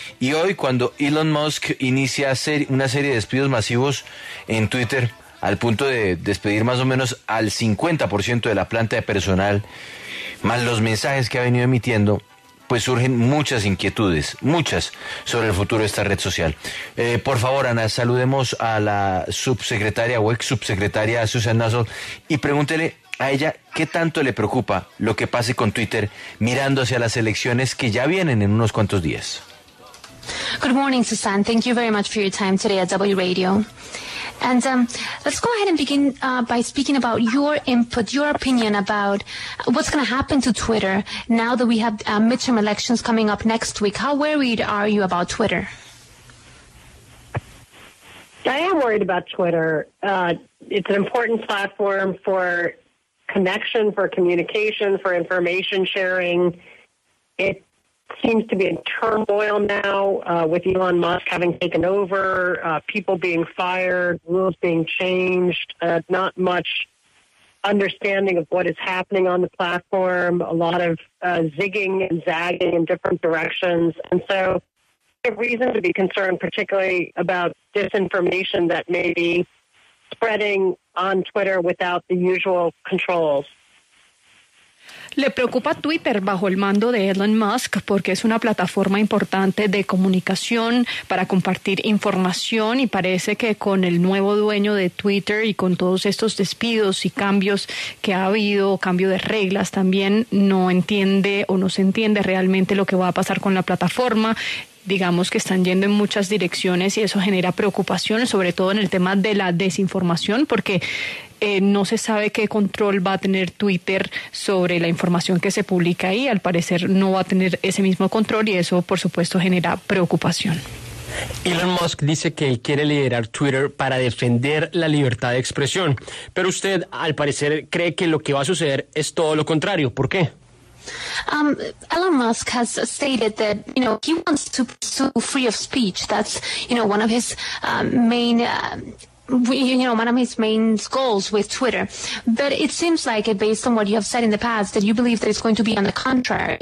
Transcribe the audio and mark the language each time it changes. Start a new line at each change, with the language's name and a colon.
Spanish: Y hoy, cuando Elon Musk inicia una serie de despidos masivos en Twitter, al punto de despedir más o menos al 50% de la planta de personal, más los mensajes que ha venido emitiendo, pues surgen muchas inquietudes, muchas, sobre el futuro de esta red social. Por favor, Ana, saludemos a la subsecretaria o ex subsecretaria Suzanne Nussel y pregúntele a ella qué tanto le preocupa lo que pase con Twitter mirando hacia las elecciones que ya vienen en unos cuantos días.
English: Good morning, Suzanne. Thank you very much for your time today at W Radio. And let's go ahead and begin by speaking about your input, your opinion about what's going to happen to Twitter now that we have midterm elections coming up next week. How worried are you about Twitter? I am worried about Twitter. It's an important platform for connection, for communication, for information sharing. It seems to be in turmoil now with Elon Musk having taken over, people being fired, rules being changed, not much understanding of what is happening on the platform, a lot of zigging and zagging in different directions. And so a reason to be concerned, particularly about disinformation that may be spreading on Twitter without the usual controls.
Spanish: ¿Le preocupa Twitter bajo el mando de Elon Musk porque es una plataforma importante de comunicación para compartir información y parece que con el nuevo dueño de Twitter y con todos estos despidos y cambios que ha habido, cambio de reglas también, no entiende o no se entiende realmente lo que va a pasar con la plataforma? Digamos que están yendo en muchas direcciones y eso genera preocupaciones, sobre todo en el tema de la desinformación, porque no se sabe qué control va a tener Twitter sobre la información que se publica ahí. Al parecer no va a tener ese mismo control y eso, por supuesto, genera preocupación. Elon Musk dice que él quiere liderar Twitter para defender la libertad de expresión, pero usted, al parecer, cree que lo que va a suceder es todo lo contrario. ¿Por qué?
English: Elon Musk has stated that, you know, he wants to pursue free of speech. That's, you know, one of his main goals with Twitter. But it seems like it, based on what you have said in the past, that you believe that it's going to be on the contrary.